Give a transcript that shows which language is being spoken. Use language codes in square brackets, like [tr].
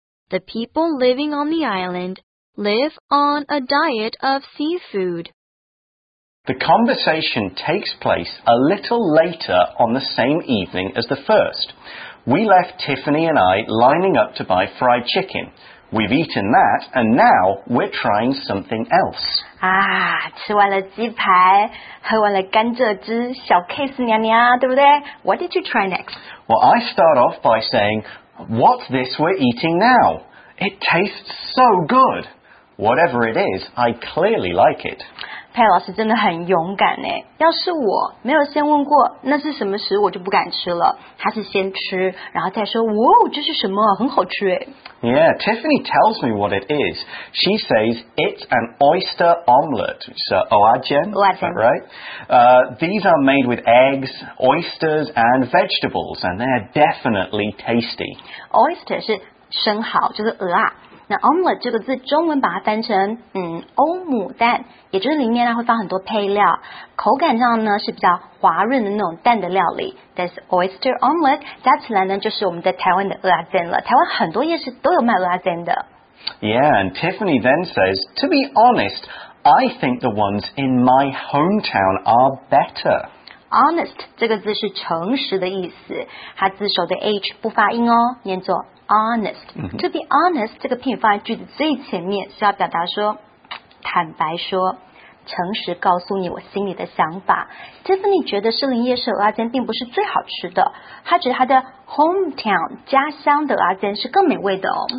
[en] The people living on the island live on a diet of seafood. The conversation takes place a little later on the same evening as the first. We left Tiffany and I lining up to buy fried chicken. We've eaten that, and now we're trying something else. [zh] Ah, 吃完了鸡排，喝完了甘蔗汁，小 case 娘娘，对不对？ [en] What did you try next? Well, I start off by saying, what's this we're eating now? It tastes so good. Whatever it is, I clearly like it. [zh] 佩老师真的很勇敢诶。要是我没有先问过那是什么食物，我就不敢吃了。他是先吃，然后再说，哇，这是什么？很好吃诶。 [en] Yeah, Tiffany tells me what it is. She says it's an oyster omelette. So, oajen, is that right? These are made with eggs, oysters, and vegetables, and they're definitely tasty. [zh] Oyster 是生蚝，就是鹅啊。那 omelet 这个字中文把它翻成欧姆蛋，也就是里面呢会放很多配料，口感上呢是比较滑润的那种蛋的料理。 [en] That's oyster omelet， [zh] 加起来呢就是我们在台湾的蚵仔煎了。台湾很多夜市都有卖蚵仔煎的。 [en] Yeah, and Tiffany then says, to be honest, I think the ones in my hometown are better. [zh] Honest 这个字是诚实的意思，它字首的 H 不发音哦，念作 honest.、Mm-hmm. [en] To be honest [zh] 这个片语放在句子最前面是要表达说，坦白说，诚实告诉你我心里的想法。 Tiffany 觉得士林夜市蚵仔煎并不是最好吃的，她觉得她的 hometown 家乡的蚵仔煎是更美味的哦。